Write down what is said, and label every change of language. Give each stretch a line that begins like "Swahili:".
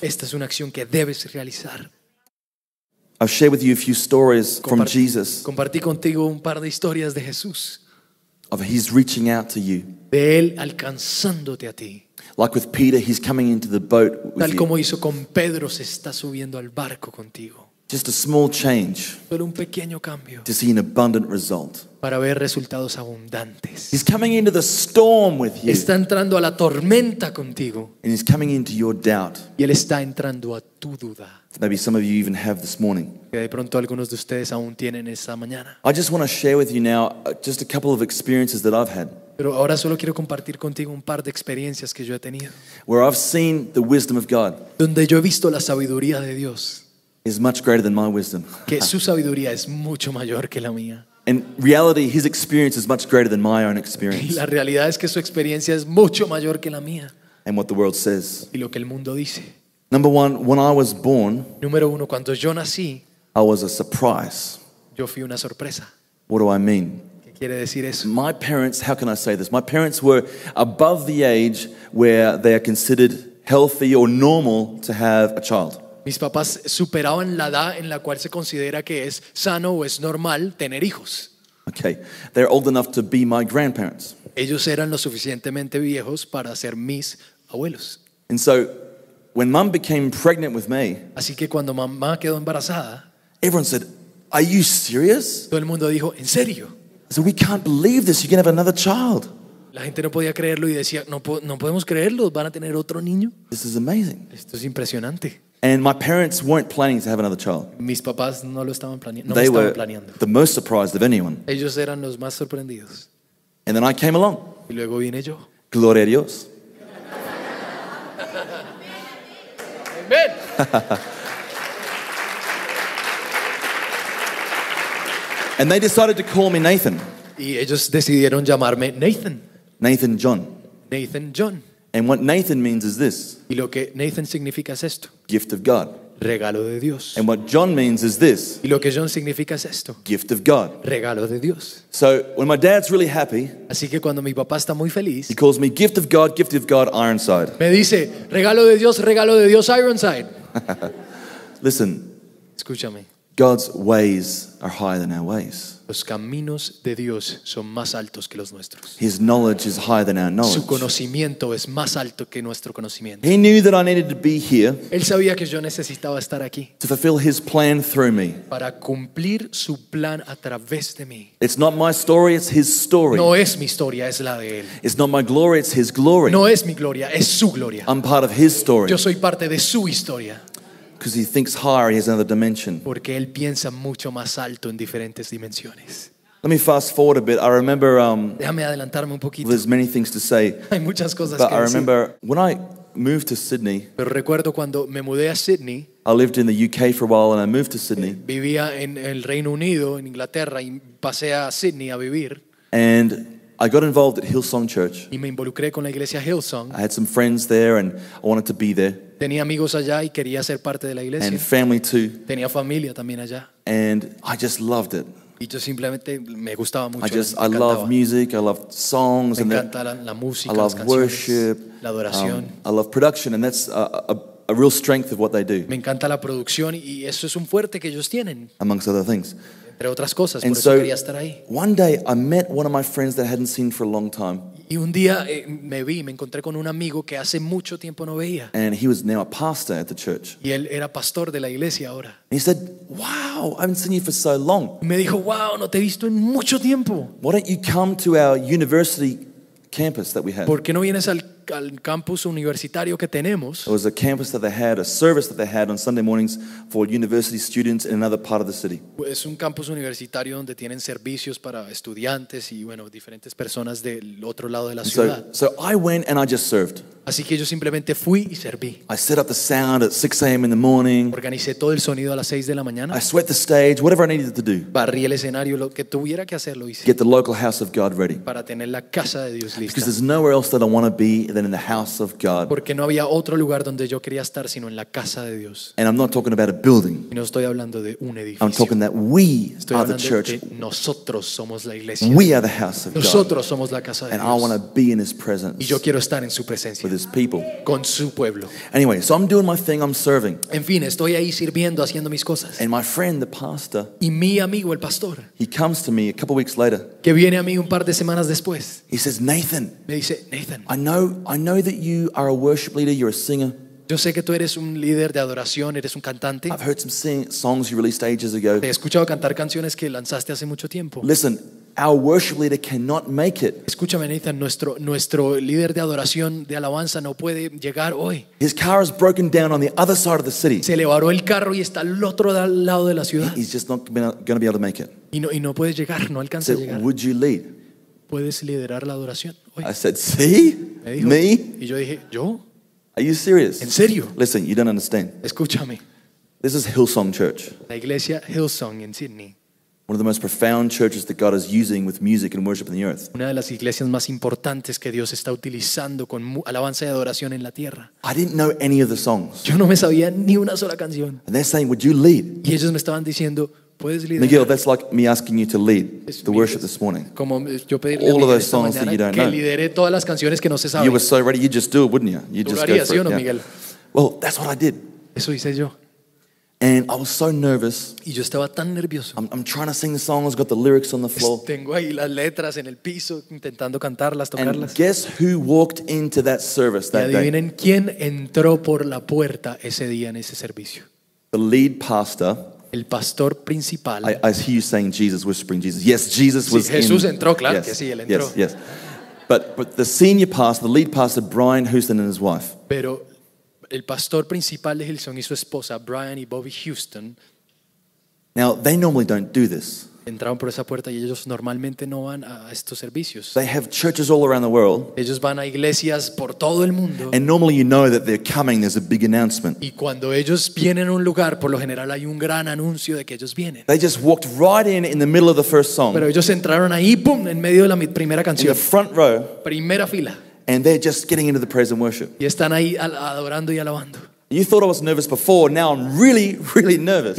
Spanish: Esta es una acción que debes realizar.
English: I've shared with you a few stories from Jesus.
Spanish: Compartí contigo un par de historias de Jesús.
English: Of he's reaching out to you.
Spanish: De él alcanzándote a ti.
English: Like with Peter, he's coming into the boat with you.
Spanish: Tal como hizo con Pedro, se está subiendo al barco contigo.
English: Just a small change.
Spanish: Solo un pequeño cambio.
English: To see an abundant result.
Spanish: Para ver resultados abundantes.
English: He's coming into the storm with you.
Spanish: Está entrando a la tormenta contigo.
English: And he's coming into your doubt.
Spanish: Y él está entrando a tu duda.
English: Maybe some of you even have this morning.
Spanish: Que de pronto algunos de ustedes aún tienen esa mañana.
English: I just want to share with you now just a couple of experiences that I've had.
Spanish: Pero ahora solo quiero compartir contigo un par de experiencias que yo he tenido.
English: Where I've seen the wisdom of God.
Spanish: Donde yo he visto la sabiduría de Dios.
English: Is much greater than my wisdom.
Spanish: Que su sabiduría es mucho mayor que la mía.
English: In reality, his experience is much greater than my own experience.
Spanish: La realidad es que su experiencia es mucho mayor que la mía.
English: And what the world says.
Spanish: Y lo que el mundo dice.
English: Number one, when I was born.
Spanish: Número uno, cuando yo nací.
English: I was a surprise.
Spanish: Yo fui una sorpresa.
English: What do I mean?
Spanish: ¿Qué quiere decir eso?
English: My parents, how can I say this? My parents were above the age where they are considered healthy or normal to have a child.
Spanish: Mis papás superaban la edad en la cual se considera que es sano o es normal tener hijos.
English: Okay. They're old enough to be my grandparents.
Spanish: Ellos eran lo suficientemente viejos para ser mis abuelos.
English: And so, when mom became pregnant with me,
Spanish: así que cuando mamá quedó embarazada,
English: everyone said, "Are you serious?"
Spanish: Todo el mundo dijo, "¿En serio?"
English: So we can't believe this. You can have another child.
Spanish: La gente no podía creerlo y decía, "No podemos creerlo, van a tener otro niño."
English: This is amazing.
Spanish: Esto es impresionante.
English: And my parents weren't planning to have another child.
Spanish: Mis papás no lo estaban planeando.
English: They
Spanish: estaban
English: were
Spanish: planeando.
English: The most surprised of anyone.
Spanish: Ellos eran los más sorprendidos.
English: And then I came along.
Spanish: Y luego vine yo. Gloria a Dios.
English: Amen. And they decided to call me Nathan.
Spanish: Y ellos decidieron llamarme Nathan.
English: Nathan John.
Spanish: Nathan John.
English: And what Nathan means is this.
Spanish: Y lo que Nathan significa es esto.
English: Gift of God.
Spanish: Regalo de Dios.
English: And what John means is this.
Spanish: Y lo que John significa es esto.
English: Gift of God.
Spanish: Regalo de Dios.
English: So when my dad's really happy,
Spanish: así que cuando mi papá está muy feliz,
English: he calls me gift of God, Ironside.
Spanish: Me dice, regalo de Dios, Ironside.
English: Listen.
Spanish: Escúchame.
English: God's ways are higher than our ways.
Spanish: Los caminos de Dios son más altos que los nuestros.
English: His knowledge is higher than our knowledge.
Spanish: Su conocimiento es más alto que nuestro conocimiento.
English: He knew that I needed to be here.
Spanish: Él sabía que yo necesitaba estar aquí.
English: To fulfill his plan through me.
Spanish: Para cumplir su plan a través de mí.
English: It's not my story, it's his story.
Spanish: No es mi historia, es la de él.
English: It's not my glory, it's his glory.
Spanish: No es mi gloria, es su gloria.
English: I'm part of his story.
Spanish: Yo soy parte de su historia.
English: Because he thinks higher, he has another dimension.
Spanish: Porque él piensa mucho más alto en diferentes dimensiones.
English: Let me fast forward a bit. I remember.
Spanish: Déjame adelantarme un poquito.
English: There's many things to say.
Spanish: Hay muchas cosas.
English: But
Spanish: que
English: I remember
Spanish: decir.
English: When I moved to Sydney.
Spanish: Pero recuerdo cuando me mudé a Sydney.
English: I lived in the UK for a while and I moved to Sydney.
Spanish: Vivía en el Reino Unido, en Inglaterra, y pasé a Sydney a vivir.
English: And I got involved at Hillsong Church.
Spanish: Y me involucré con la iglesia Hillsong.
English: I had some friends there and I wanted to be there.
Spanish: Tenía amigos allá y quería ser parte de la iglesia.
English: And family too.
Spanish: Tenía familia también allá.
English: And I just loved it.
Spanish: Y yo simplemente me gustaba mucho.
English: I love music, I love songs.
Spanish: Me encanta la música,
English: I love worship,
Spanish: la adoración.
English: I love production and that's a real strength of what they do.
Spanish: Me encanta la producción y eso es un fuerte que ellos tienen.
English: Amongst other things.
Spanish: Entre otras cosas,
English: and
Spanish: por
English: so
Spanish: eso quería estar ahí.
English: One day I met one of my friends that I hadn't seen for a long time.
Spanish: Y un día me encontré con un amigo que hace mucho tiempo no veía.
English: And he was now a pastor at the church.
Spanish: Y él era pastor de la iglesia ahora.
English: And he said, "Wow, I haven't seen you for so long."
Spanish: Y me dijo, "Wow, no te he visto en mucho tiempo."
English: Why don't you come to our university campus that we have?
Spanish: ¿Por qué no vienes al campus universitario que tenemos?
English: It was a campus that they had, a service that they had on Sunday mornings for university students in another part of the city.
Spanish: Es un campus universitario donde tienen servicios para estudiantes y bueno, diferentes personas del otro lado de la ciudad.
English: So I went and I just served.
Spanish: Así que yo simplemente fui y serví.
English: I set up the sound at 6 a.m. in the morning.
Spanish: Organicé todo el sonido a las 6 de la mañana.
English: I swept the stage, whatever I needed to do.
Spanish: Barrí el escenario, lo que tuviera que hacer lo hice.
English: Get the local house of God ready.
Spanish: Para tener la casa de Dios lista.
English: Because there's nowhere else that I want to be than in the house of God.
Spanish: Porque no había otro lugar donde yo quería estar sino en la casa de Dios.
English: And I'm not talking about a building.
Spanish: Y no estoy hablando de un edificio.
English: I'm talking that we
Spanish: estoy
English: are the church.
Spanish: Nosotros somos la iglesia.
English: We are the house of God.
Spanish: Nosotros somos la casa de
English: and
Spanish: Dios.
English: And I want to be in his presence.
Spanish: Y yo quiero estar en su presencia.
English: With his people.
Spanish: Con su pueblo.
English: Anyway, so I'm doing my thing, I'm serving.
Spanish: En fin, estoy ahí sirviendo, haciendo mis cosas.
English: And my friend the pastor.
Spanish: Y mi amigo el pastor.
English: He comes to me a couple weeks later.
Spanish: Que viene a mí un par de semanas después.
English: He says, "Nathan."
Spanish: Me dice, "Nathan."
English: I know that you are a worship leader, you're a singer.
Spanish: Yo sé que tú eres un líder de adoración, eres un cantante.
English: I've heard some songs you released ages ago.
Spanish: Te he escuchado cantar canciones que lanzaste hace mucho tiempo.
English: Listen, our worship leader cannot make it.
Spanish: Escúchame, Nathan, nuestro líder de adoración de alabanza no puede llegar hoy.
English: His car is broken down on the other side of the city.
Spanish: Se le varó el carro y está al otro lado de la ciudad.
English: He's just not going to be able to make it.
Spanish: Y no puede llegar, no alcanza
English: so
Spanish: a llegar.
English: Would you lead?
Spanish: ¿Puedes liderar la adoración hoy?
English: I said, "Sí."
Spanish: Me dijo,
English: "Me?"
Spanish: Y yo dije, "¿Yo?"
English: Are you serious?
Spanish: ¿En serio?
English: Listen, you don't understand.
Spanish: Escúchame.
English: This is Hillsong Church.
Spanish: La iglesia Hillsong en Sydney.
English: One of the most profound churches that God is using with music and worship in the earth.
Spanish: Una de las iglesias más importantes que Dios está utilizando con alabanza y adoración en la tierra.
English: I didn't know any of the songs.
Spanish: Yo no me sabía ni una sola canción.
English: And they're saying, "Would you lead?"
Spanish: Y ellos me estaban diciendo, "¿Puedes liderar?"
English: Miguel, that's like me asking you to lead the worship this morning.
Spanish: Como yo pedirle
English: all of those songs that you don't know.
Spanish: Que lidere todas las canciones que no se saben.
English: You were so ready, you'd just do it, wouldn't you? You'd just go for it. Yeah. Miguel. Well, that's what I did.
Spanish: Eso hice yo.
English: And I was so nervous.
Spanish: Y yo estaba tan nervioso.
English: I'm trying to sing the songs, got the lyrics on the floor.
Spanish: Tengo ahí las letras en el piso, intentando cantarlas, tocarlas.
English: And guess who walked into that service that day?
Spanish: Y adivinen quién entró por la puerta ese día en ese servicio.
English: The lead pastor.
Spanish: El pastor principal.
English: I hear you saying Jesus, whispering Jesus. Yes, Jesus was.
Spanish: Sí, Jesús
English: in.
Spanish: Entró, claro,
English: yes,
Spanish: que sí, él entró.
English: Yes, yes. But the senior pastor, the lead pastor, Brian Houston and his wife.
Spanish: Pero el pastor principal de Hillsong y su esposa, Brian y Bobby Houston.
English: Now they normally don't do this.
Spanish: Entraron por esa puerta y ellos normalmente no van a estos servicios.
English: They have churches all around the world.
Spanish: Ellos van a iglesias por todo el mundo.
English: And normally you know that they're coming, there's a big announcement.
Spanish: Y cuando ellos vienen a un lugar, por lo general hay un gran anuncio de que ellos vienen.
English: They just walked right in the middle of the first song.
Spanish: Pero ellos entraron ahí, pum, en medio de la primera canción.
English: In the front row.
Spanish: Primera fila.
English: And they're just getting into the praise and worship.
Spanish: Y están ahí adorando y alabando.
English: You thought I was nervous before, now I'm really, really nervous.